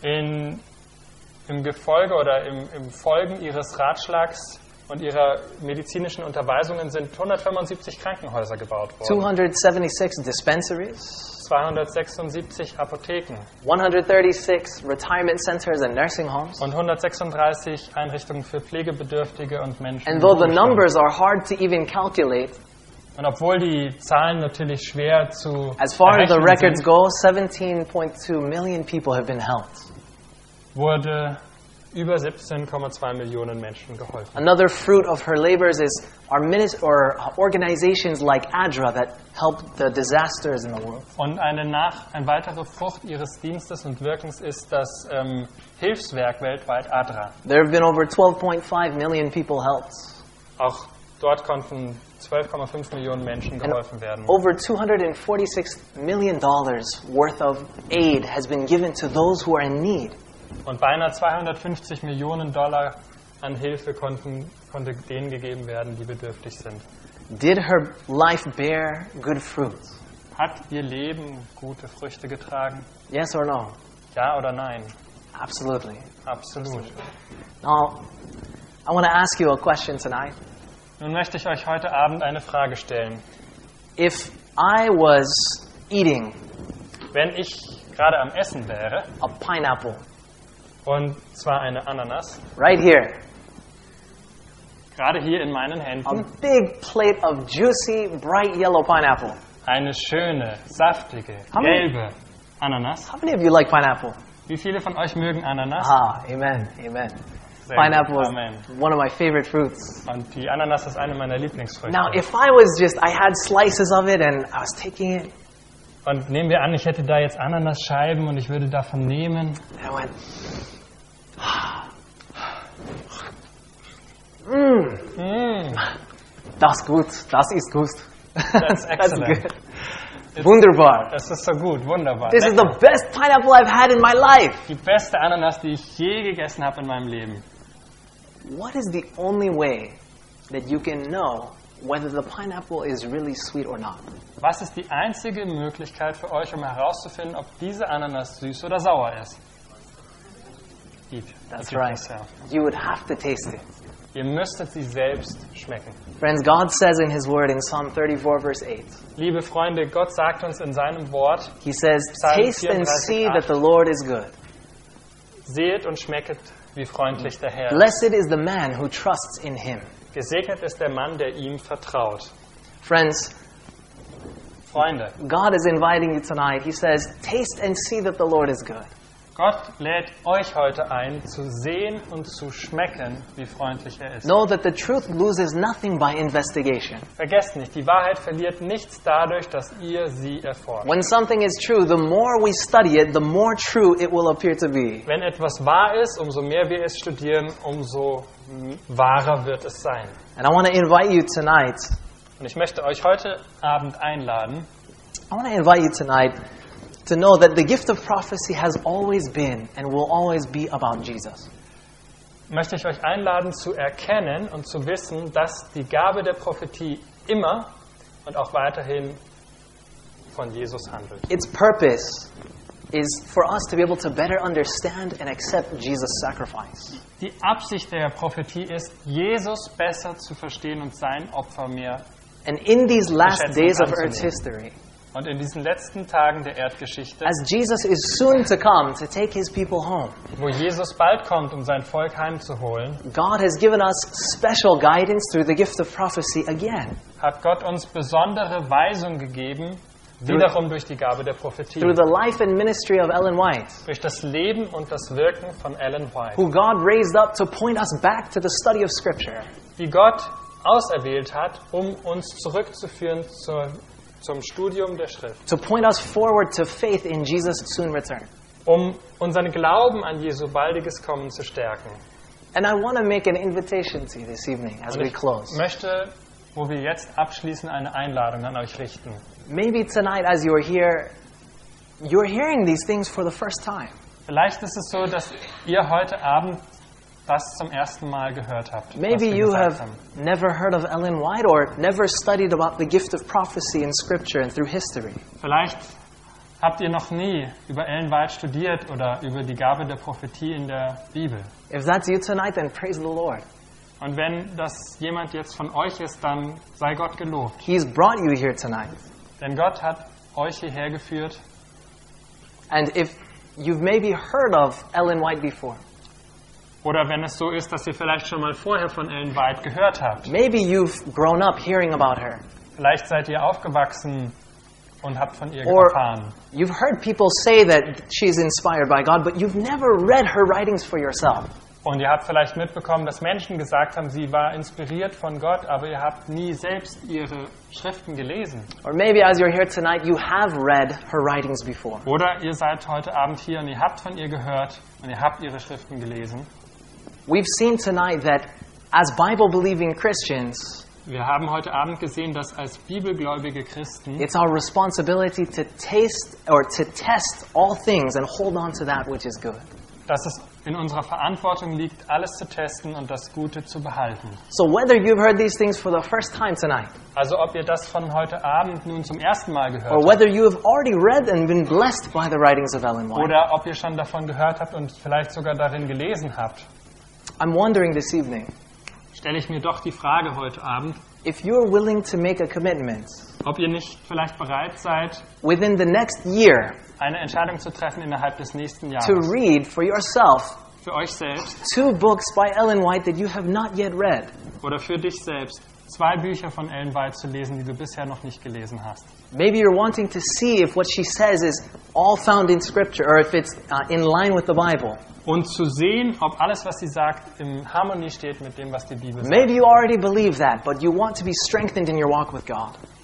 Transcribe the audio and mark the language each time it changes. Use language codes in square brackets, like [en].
[de] Im Gefolge oder im Folgen ihres Ratschlags und ihrer medizinischen Unterweisungen sind 175 Krankenhäuser gebaut worden. [en] 276 dispensaries. [de] 276 Apotheken. [en] 136 retirement centers and nursing homes. [de] Und 136 Einrichtungen für Pflegebedürftige und Menschen. [en] And though the numbers are hard to even calculate. [de] Und obwohl die Zahlen natürlich schwer zu errechnen sind. [en] As far as the records go, 17.2 million people have been helped. [de] Wurde über 17,2 Millionen Menschen geholfen. [en] Another fruit of her labors is our ministry or organizations like ADRA that help the disasters in the world. [de] Und ein weiterer Frucht ihres Dienstes und Wirkens ist das Hilfswerk weltweit ADRA. [en] There have been over 12.5 million people helped. [de] Auch dort konnten 12,5 Millionen Menschen geholfen werden. [en] Over $246 million worth of aid has been given to those who are in need. [de] Und beinahe 250 Millionen Dollar an Hilfe konnte denen gegeben werden, die bedürftig sind. [en] Did her life bear good fruit? [de] Hat ihr Leben gute Früchte getragen? [en] Yes or no? [de] Ja oder nein? [en] Absolutely. [de] Absolut. [en] Now, I want to ask you a question tonight. [de] Nun möchte ich euch heute Abend eine Frage stellen. [en] If I was eating, [de] wenn ich gerade am Essen wäre, [en] a pineapple. [de] Und zwar eine Ananas. [en] Right here. [de] Gerade hier in meinen Händen. [en] A big plate of juicy, bright yellow pineapple. [de] Eine schöne, saftige, gelbe Ananas. [en] How many of you like pineapple? [de] Wie viele von euch mögen Ananas? [en] Ah, amen, amen. Pineapple is one of my favorite fruits. [de] Und die Ananas ist eine meiner Lieblingsfrüchte. [en] Now, if I was just, I had slices of it and I was taking it. [de] Und nehmen wir an, ich hätte da jetzt Ananasscheiben und ich würde davon nehmen. [en] And I went. Mmm. Mmm. [de] Das gut. Das ist gut. [en] That's excellent. That's good. [de] Wunderbar. Das ist so gut. Wunderbar. [en] This is the best pineapple I've had in my life. [de] Die beste Ananas, die ich je gegessen habe in meinem Leben. [en] What is the only way that you can know whether the pineapple is really sweet or not? [de] Was ist die einzige Möglichkeit für euch, um herauszufinden, ob diese Ananas süß oder sauer ist? [en] Eat. That's eat right. Yourself. You would have to taste it. [de] Ihr müsstet sie selbst schmecken. [en] Friends, God says in his word in Psalm 34 verse 8. [de] Liebe Freunde, Gott sagt uns in seinem Wort. [en] He says, taste and see that the Lord is good. [de] Seht und schmecket, wie freundlich der Herr ist. [en] Blessed is the man who trusts in him. [de] Gesegnet ist der Mann, der ihm vertraut. [en] Friends, [de] Freunde, [en] God is inviting you tonight. He says, taste and see that the Lord is good. [de] Gott lädt euch heute ein, zu sehen und zu schmecken, wie freundlich er ist. [en] Know that the truth loses nothing by investigation. [de] Vergesst nicht, die Wahrheit verliert nichts dadurch, dass ihr sie erforscht. [en] When something is true, the more we study it, the more true it will appear to be. [de] Wenn etwas wahr ist, umso mehr wir es studieren, umso wahrer wird es sein. [en] And I want to invite you tonight. [de] Und ich möchte euch heute Abend einladen. [en] I want to invite you tonight. To know that the gift of prophecy has always been and will always be about Jesus. [de] Möchte ich euch einladen zu erkennen und zu wissen, dass die Gabe der Prophetie immer und auch weiterhin von Jesus handelt. [en] Its purpose is for us to be able to better understand and accept Jesus' sacrifice. [de] Die Absicht der Prophetie ist, Jesus besser zu verstehen und sein Opfer mehr. [en] And in these last days of Earth's history. [de] Und in diesen letzten Tagen der Erdgeschichte, [en] as Jesus is soon to come to take his people home, [de] wo Jesus bald kommt, um sein Volk heimzuholen, [en] God has given us special guidance through the gift of prophecy again. [de] Hat Gott uns besondere Weisung gegeben, wiederum durch die Gabe der Prophetie. [en] Through the life and ministry of Ellen White. [de] Durch das Leben und das Wirken von Ellen White. [en] Who God raised up to point us back to the study of Scripture. [de] Die Gott auserwählt hat, um uns zurückzuführen zum Studium der Schrift. [en] To point us forward to faith in Jesus' soon return. [de] Um unseren Glauben an Jesu baldiges Kommen zu stärken. [en] And I want to make an invitation to you this evening as [de] Und [en] we close. [de] Ich möchte, wo wir jetzt abschließen, eine Einladung an euch richten. [en] Maybe tonight as you are here, you are hearing these things for the first time. [de] Vielleicht ist es so, dass ihr heute Abend das zum ersten Mal gehört habt. [en] Maybe you have [de] haben. [en] Never heard of Ellen White or never studied about the gift of prophecy in scripture and through history. [de] Vielleicht Habt ihr noch nie über Ellen White studiert oder über die Gabe der Prophetie in der Bibel? [en] If that's you tonight, then praise the Lord. [de] Und wenn das jemand jetzt von euch ist, dann sei Gott gelobt. [en] He's brought you here tonight. [de] Denn Gott hat euch hierher geführt. [en] And if you've maybe heard of Ellen White before. [de] Oder wenn es so ist, dass ihr vielleicht schon mal vorher von Ellen White gehört habt. [en] Maybe you've grown up hearing about her. [de] Vielleicht seid ihr aufgewachsen und habt von ihr erfahren. [en] You've heard people say that she's inspired by God, but you've never read her writings for yourself. [de] Und ihr habt vielleicht mitbekommen, dass Menschen gesagt haben, sie war inspiriert von Gott, aber ihr habt nie selbst ihre Schriften gelesen. [en] Or maybe as you're here tonight, you have read her writings before. [de] Oder ihr seid heute Abend hier und ihr habt von ihr gehört und ihr habt ihre Schriften gelesen. [en] We've seen tonight that as Bible-believing Christians, [de] wir haben heute Abend gesehen, dass als bibelgläubige Christen, [en] it's our responsibility to taste or to test all things and hold on to that which is good. [de] Dass es in unserer Verantwortung liegt, alles zu testen und das Gute zu behalten. [en] So whether you've heard these things for the first time tonight, [de] also ob ihr das von heute Abend nun zum ersten Mal gehört habt, [en] or whether you have already read and been blessed by the writings of Ellen White, [de] oder ob ihr schon davon gehört habt und vielleicht sogar darin gelesen habt, [en] I'm wondering this evening, [de] stelle ich mir doch die Frage heute Abend, [en] if you are willing to make a commitment, [de] ob ihr nicht vielleicht bereit seid, [en] within the next year, [de] eine Entscheidung zu treffen innerhalb des nächsten Jahres, [en] to read for yourself, [de] für euch selbst, [en] two books by Ellen White that you have not yet read, [de] oder für dich selbst zwei Bücher von Ellen White zu lesen, die du bisher noch nicht gelesen hast. [en] Maybe you're wanting to see if what she says is all found in Scripture or if it's in line with the Bible. [de] Und zu sehen, ob alles, was sie sagt, in Harmonie steht mit dem, was die Bibel sagt. [en] Maybe you already believe that, but you want to be strengthened in your walk with God.